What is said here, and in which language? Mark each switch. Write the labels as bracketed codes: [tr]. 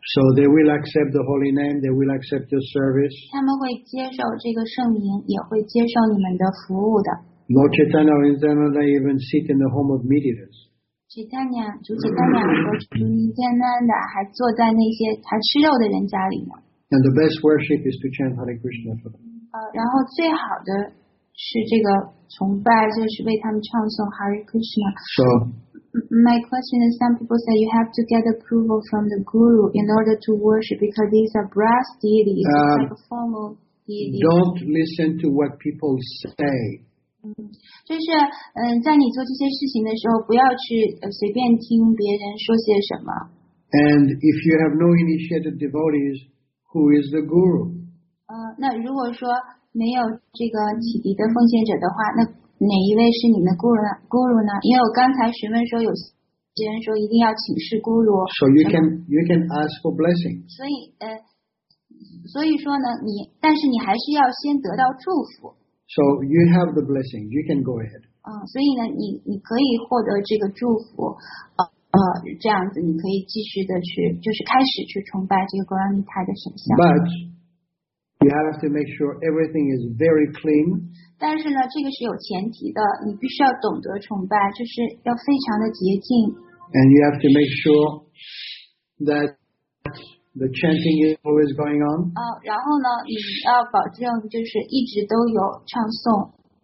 [en] So they will accept the holy name, they will accept your service. [zh] 他们会接受这个圣名，也会接受你们的服务的。 [en] Lord Chaitanya or Nityananda, they even sit in the home of mediators. [zh] Chaitanya, 主 Chaitanya 和主 Nityananda 还坐在那些还吃肉的人家里呢。 [en] And the best worship is to chant Hare Krishna for them. [zh] 然后最好的是这个崇拜，就是为他们唱诵 Hare Krishna. [en] So, my question is, some people say you have to get approval from the guru in order to worship because these are brass deities, it's like a formal deity. Don't listen to what people say. [zh] 就是在你做这些事情的时候不要去随便听别人说些什么。 [en] And if you have no initiated devotees, who is the guru? [zh] 那如果说没有这个启迪的奉献者的话，那哪一位是你们的 guru 呢？因为我刚才询问说有些人说一定要请示 guru。 [en] So you can ask for blessing. [zh] 所以说呢，你但是你还是要先得到祝福。 [en] So you have the blessing. You can go ahead. [zh] 所以呢，你可以获得这个祝福，这样子你可以继续的去，就是开始去崇拜这个 Gauranitai 的神像。 [en] But you have to make sure everything is very clean. [zh] 但是呢，这个是有前提的，你必须要懂得崇拜，就是要非常的洁净。 [en] And you have to make sure that. The chanting is always going on. [zh] 然后呢，你要保证就是一直都有唱诵。